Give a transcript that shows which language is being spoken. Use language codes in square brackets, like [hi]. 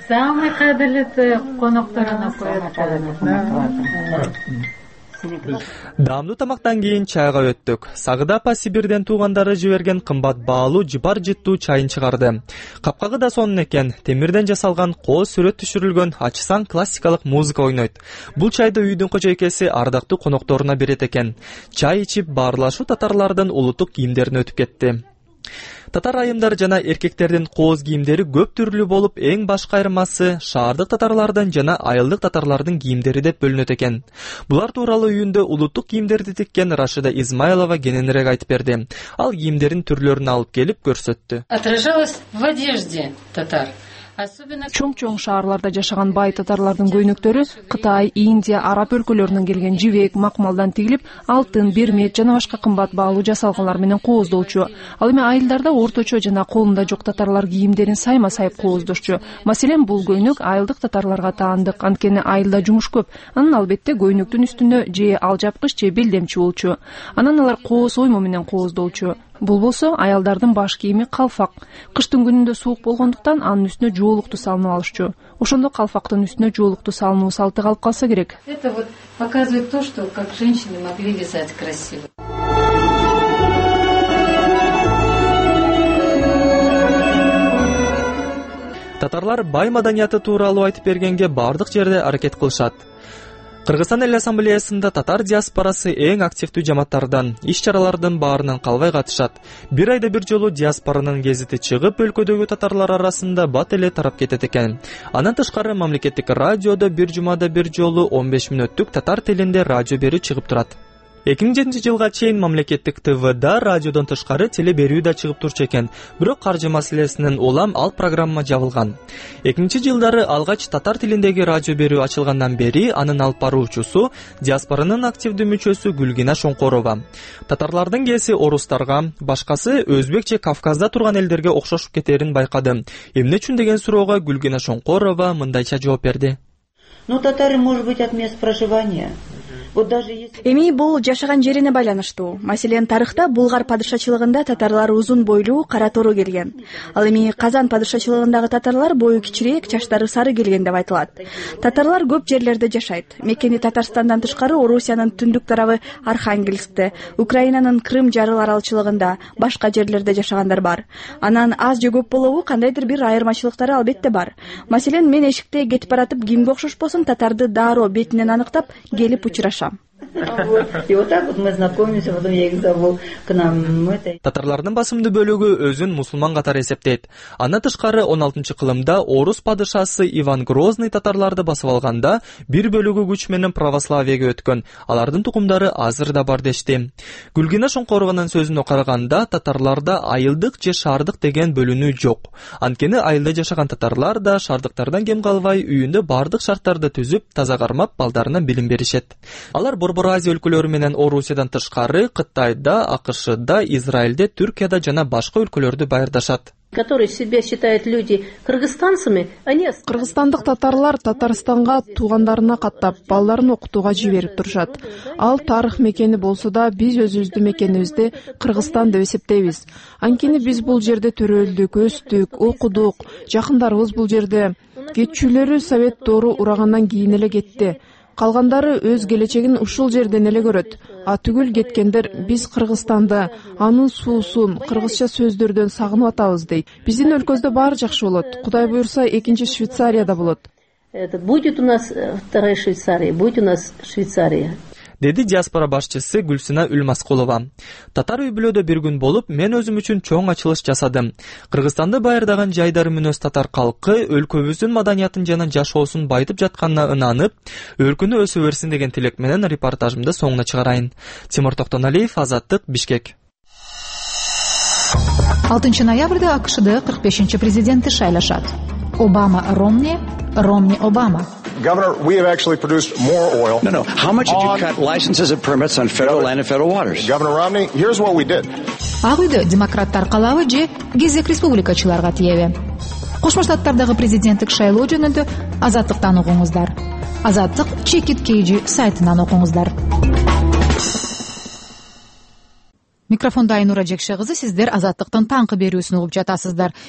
[ky] Самый кадрли ты коноктор она поет. Даамдуу тамактан кийин чайга өттүк. Сагыда апа Сибирден туугандары жиберген кымбат баалуу жыпар жыттуу чайын чыгарды. Капкагы да сонун экен, темирден жасалган кол сүрөт түшүрүлгөн ачсан классикалык музыка ойнойт. Бул чайды үйдүн кожойкеси ардактуу конокторуна берет экен. Чай ичип баарлашуу татарлардын улуттук кийимдерин өтүп кетти. Татар айымдар жана эркектердин кооз кийимдери көп түрлүү болуп, эң башка айырмасы шаардык татарлардын жана айылдык татарлардын кийимдери деп бөлүнөт экен. Булар тууралуу үйүндө улуттук кийимдерди тиккен Рашида Измайлова кененирээк айтып берди. Ал кийимдердин түрлөрүн алып келип көрсөттү. [ru] Отражалось в одежде татар. [ky] Чоң-чоң шаарларда жашаган бай татарлардын көйнөктөрү Кытай, Индия, Араб өлкөлөрүнөн келген жибек, макмалдан тигилип, алтын, бермет жана башка кымбат баалуу жасалгалар менен кооздолчу. Ал эми айылдарда орточо жана колунда жок татарлар кийимдерин сайма-сайып кооздошчу. Маселен, бул көйнөк айылдык татарларга таандык, анткени айылда жумуш көп. Анан албетте көйнөктүн үстүндө же ал жапкыч же белдемчи болчу. Анан алар кооз оймо менен кооздолчу. Бул болсо аялдардын баш кийими калфак. Кыштын күнүндө суук болгондуктан анын үстүнө жуулукту салынып алышчу. Ошондо калфактын үстүнө жуулукту салынуу салты калып калса керек. [ru] Это вот показывает то, что как женщины могли вязать красиво. [ky] Татарлар бай маданияты тууралуу айтып бергенге бардык жерде аракет кылышат. Кыргызстан эл ассамблеясында татар диаспорасы эң активдүү жамааттардан, иш чаралардын баарынан калбай катышат. Бир айда бир жолу диаспоранын гезити чыгып, өлкөдөгү татарлар арасында бат эле тарап кетет экен. Анан тышкары мамлекеттик радиодо бир жумада бир жолу 15 мүнөттүк татар тилинде радио берүү чыгып турат. 2007 жылга чейин мамлекеттик ТВ-да радиодон тышкары телеберүү да чыгып турчу экен, бирок каржы маселесинен улам ал программа жабылган. 2000 жылдары алгач татар тилиндеги радио берүү ачылгандан бери анын алып баруучусу диаспоранын активдүү мүчөсү Гүлгина Шоңкорова. Татарлардын кеси орустарга, башкасы өзбек же Кавказда турган элдерге окшошуп кетерин байкадым. Эмне үчүн деген суроого Гүлгина Шоңкорова мындайча жооп берди. [ru] Ну, татары, может быть, от мест проживания. [ky] Эми бул жашаган жерине байланыштуу. Маселен, тарыхта Булгар падышачылыгында татарлар узун бойлуу, кара тору келген. Ал эми Казан падышачылыгындагы татарлар бою кичирээк, чачтары сары келген деп айтылат. Татарлар көп жерлерде жашайт. Мекени Татарстандан тышкары Орусиянын түндүк тарабы Архангельскте, Украинанын Крым жарыл аралчылыгында, башка жерлерде жашагандар бар. Анан аз же көп болобу, кандайдыр бир айырмачылыктары албетте бар. Маселен, мен эшикте кетип баратып кимге окшошпосун татарды дароо бетинен аныктап келип учурам. [ru] И вот так вот мы знакомимся, потом я их зову к нам. [ky] Татарлардын басымдуу бөлүгү өзүн мусулман катары эсептейт. Андан тышкары 16 кылымда орус падышасы Иван Грозный татарларды басып алганда бир бөлүгү күч менен православиеге өткөн. Алардын тукумдары азыр да бар дешти. Гүлгина Шоңкорованын сөзүнө караганда, татарларда айылдык же шаардык деген бөлүнүү жок. Анткени айылда жашаган татарлар да шаардыктардан кем калбай үйүндө бардык шарттарды түзүп, таза кармап балдарына билим беришет. Алар Борбор Азия өлкөлөрү менен Орусиядан тышкары Кытайда, АКШда, Израилде, Түркияда жана башка өлкөлөрдү байырдашат. [ru] Которые себя считают люди кыргызстанцами, они [ky] кыргызстандык татарлар Татарстанга туугандарына каттап, балдарын окутууга жиберип турушат. Ал тарых мекени болсо да, биз өзүбүздүн мекенибизди Кыргызстан деп эсептейбиз. Анткени биз бул жерде төрөлдүк, өстүк, окудук, жакындарыбыз бул жерде. Кетчүлөрү совет доору урагандан кийин эле кетти. Калгандары өз келечегин ушул жерден эле көрөт. А түгүл кеткендер биз Кыргызстанды, анын суусун, кыргызча сөздөрдөн сагынып атабыз дейт. Биздин өлкөздө баары жакшы болот. Кудай буйурса, экинчи Швейцарияда болот. [ru] Будет у нас вторая Швейцария, будет у нас Швейцария. [ky] Деди диаспора башчысы Гүлсина Үлмаскулова. Татар үйбүлөдө бир күн болуп, мен өзүм үчүн чоң ачылыш жасадым. Кыргызстанды байырдаган жайдар мүнөз татар калкы өлкөбүздүн маданиятын жана жашоосун байытып жатканына ынанып, өлкөнү өсө берсин деген тилек менен репортажымды соңуна чыгарайын. Тимур Токтоналиев, Азаттык, Бишкек. 6 ноябрда АКШда 45-ші президенти шайлашат. Обама Ромни, Ромни Обама. [en] Governor, we have actually produced more oil. No. How much did you cut licenses and permits on federal land and federal waters? Governor Romney, here's what we did. [ky] Абыды демократтар калабы же кезек республикачыларга тиеби? Кошмо Штаттардагы президенттик шайлоо жөнүндө Азаттыктан угуңуздар. Азаттык чекит кейжи сайтынан окуңуздар. Микрофондо Айнура Жекше кызы, сиздер Азаттыктын таңкы берүүсүн угуп жатасыздар.